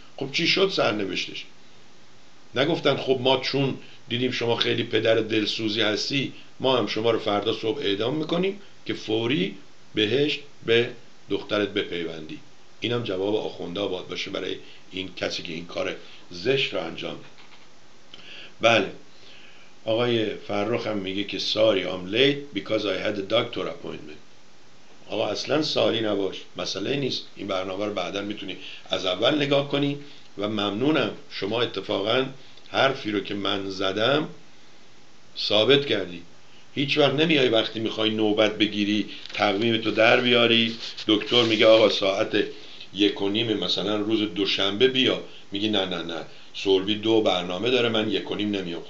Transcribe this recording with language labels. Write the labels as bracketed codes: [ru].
[fa] خب چی شد سرنوشتش؟ نگفتن خب ما چون دیدیم شما خیلی پدر دلسوزی هستی ما هم شما رو فردا صبح اعدام میکنیم که فوری بهشت به دخترت بپیوندی. اینم جواب آخونده باید باشه برای این کسی که این کار زشت رو انجام ده. بله آقای فرخ هم میگه که [en] sorry I'm late because I had a doctor appointment. [fa] آقا اصلا ساری نباش، مسئله نیست. این برنامه رو بعدا میتونی از اول نگاه کنی و ممنونم شما اتفاقا حرفی رو که من زدم ثابت کردی. هیچ وقت نمیای وقتی میخوای نوبت بگیری تقویمتو در بیاری دکتر میگه آقا ساعت 1:30 مثلا روز دوشنبه بیا، میگی نه نه نه سولبی 2 برنامه داره من 1:30 نمیام.